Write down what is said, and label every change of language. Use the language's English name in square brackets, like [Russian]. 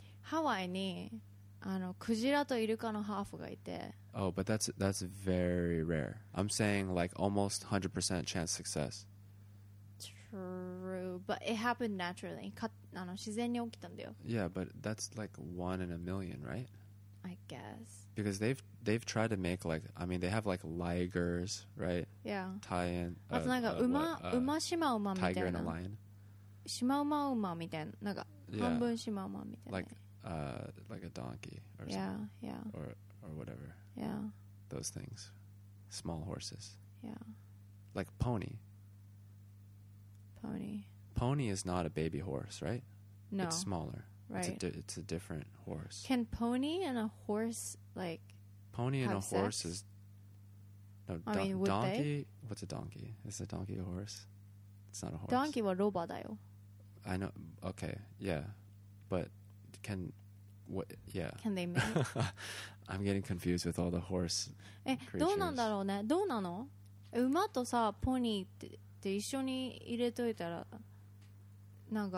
[Japanese] ハワイにあのクジラとイルカのハーフがいて。 [English] Oh, but that's very rare. I'm saying like almost 100% chance success. True, but it happened naturally. [Japanese] あの、自然に起きたんだよ。 [English] Yeah, but that's like one in a million, right? I guess. Because they've tried to make like, I mean, they have like ligers, right? Yeah. Tie-in. [Japanese] あとなんか馬、馬シマウマみたいな。 [English] Tiger and a lion. [Japanese] シマウマウマみたいな。なんか半分シマウマみたいな。 [English] Like a donkey or something. Yeah, yeah. Or whatever. Yeah. Those things. Small horses. Yeah. Like pony. Pony is not a baby horse, right? No. It's smaller. Right. It's a different horse. Can pony and a horse, like, pony and a sex? Horse is... No, I mean, would donkey, they? What's a donkey? Is a donkey a horse? It's not a horse. [Japanese] Donkey wa roba da yo. [English] I know. Okay. Yeah. But can... What, yeah. Can they mate? I'm getting confused with all the horse creatures. [Japanese] どうなんだろうね?どうなの?馬とさ、ポニーって... で一緒に入れといたらなんか